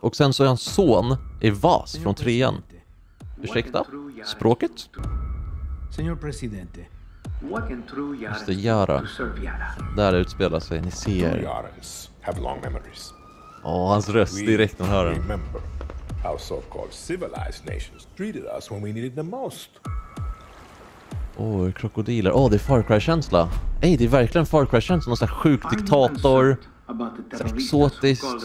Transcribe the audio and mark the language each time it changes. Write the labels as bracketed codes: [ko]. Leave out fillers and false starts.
[sv] Och sen så är hans son i Vas från 3:an. Ursäkta? Språket? [es] Señor presidente. [sv] Just det, Yara. Där det utspelar sig, ni ser. [en] Have long memories. [sv] Åh, hans röst direkt när hör den. [en] How so-called civilized nations treated us when we needed them most. [sv] Åh, krokodiler. Åh, det är Far Cry-känsla. Ej, det är verkligen Far Cry-känsla. Någon sån här sjuk diktator. Exotiskt.